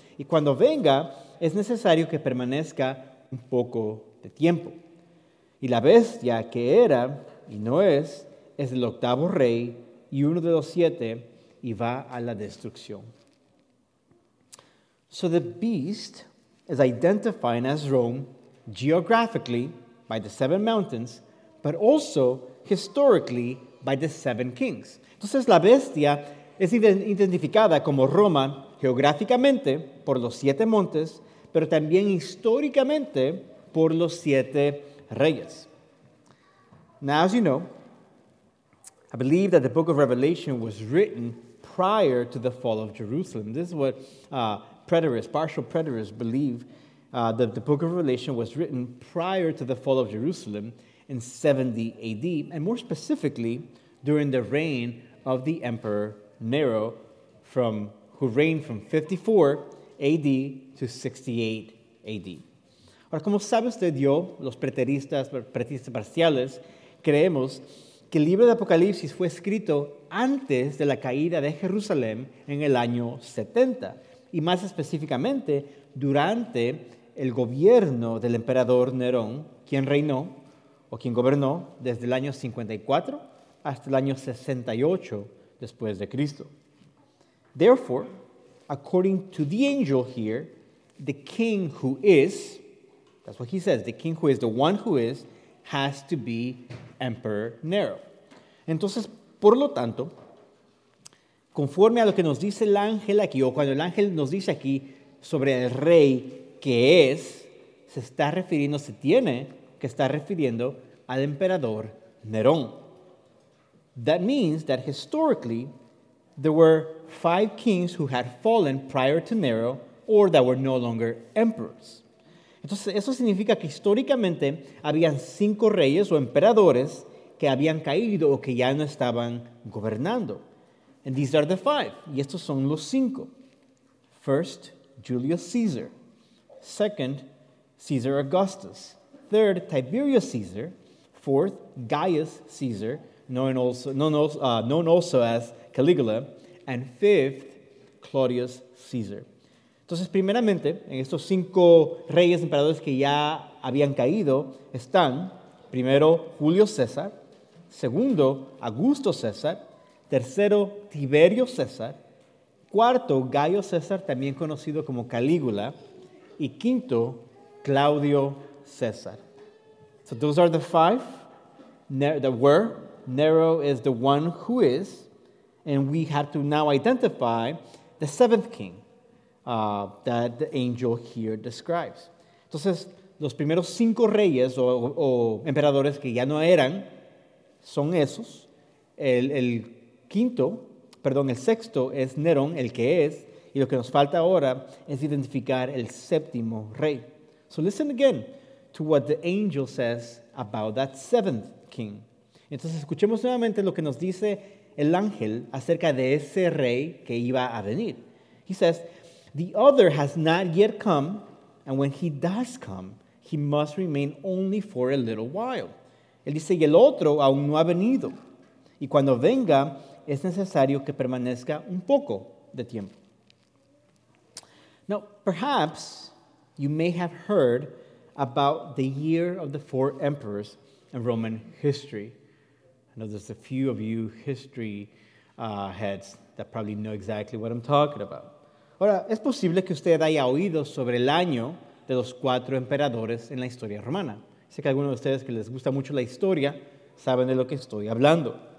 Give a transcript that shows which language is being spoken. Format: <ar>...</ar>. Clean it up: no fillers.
<es>Y cuando venga, es necesario que permanezca un poco de tiempo. Y la bestia que era y no es, es el octavo rey y uno de los siete y va a la destrucción.</es> <en>So the beast is identifying as Rome geographically by the seven mountains, but also historically by the seven kings.</en> <es>Entonces, la bestia es identificada como Roma geográficamente por los siete montes, pero también históricamente por los siete reyes.</es> <en>Now, as you know, I believe that the book of Revelation was written prior to the fall of Jerusalem. This is what partial preterists believe, that the book of Revelation was written prior to the fall of Jerusalem in 70 AD, and more specifically, during the reign of the emperor Nero, who reigned from 54 AD to 68 AD.</en> <es>Ahora, como sabe usted, yo, los preteristas parciales, creemos que el libro de Apocalipsis fue escrito antes de la caída de Jerusalén en el año 70, y más específicamente durante el gobierno del emperador Nerón, quien gobernó desde el año 54 hasta el año 68 después de Cristo.</es> <en>Therefore, according to the angel here, the king who is, that's what he says, the king who is, the one who is, has to be Emperor Nero.</en> <es>Entonces, por lo tanto, conforme a lo que nos dice el ángel aquí, o cuando el ángel nos dice aquí sobre el rey que es, se tiene que estar refiriendo al emperador Nerón.</es> <en>That means that historically, there were five kings who had fallen prior to Nero, or that were no longer emperors.</en> <es>Entonces, eso significa que históricamente habían cinco reyes o emperadores que habían caído o que ya no estaban gobernando.</es> <en>And these are the five.</en> <es>Y estos son los cinco.</es> <en>First, Julius Caesar. Second, Caesar Augustus. Third, Tiberius Caesar. Fourth, Gaius Caesar, known also as Caligula. And fifth, Claudius Caesar.</en> <es>Entonces, primeramente, en estos cinco reyes emperadores que ya habían caído, están, primero, Julio César, segundo, Augusto César, tercero, Tiberio César, cuarto, Gaio César, también conocido como Calígula, y quinto, Claudio César.</es> <en>So those are the five Nero is the one who is, and we have to now identify the seventh king. That the angel here describes.</en> <es>Entonces, los primeros cinco reyes o emperadores que ya no eran son esos. El sexto es Nerón, el que es, y lo que nos falta ahora es identificar el séptimo rey.</es> <en>So listen again to what the angel says about that seventh king.</en> <es>Entonces, escuchemos nuevamente lo que nos dice el ángel acerca de ese rey que iba a venir.</es> <en>He says, "The other has not yet come, and when he does come, he must remain only for a little while."</en> <es>Él dice, y el otro aún no ha venido, y cuando venga, es necesario que permanezca un poco de tiempo.</es> <en>Now, perhaps you may have heard about the year of the four emperors in Roman history. I know there's a few of you history heads that probably know exactly what I'm talking about.</en> <es>Ahora, es posible que usted haya oído sobre el año de los cuatro emperadores en la historia romana. Sé que algunos de ustedes que les gusta mucho la historia saben de lo que estoy hablando.</es>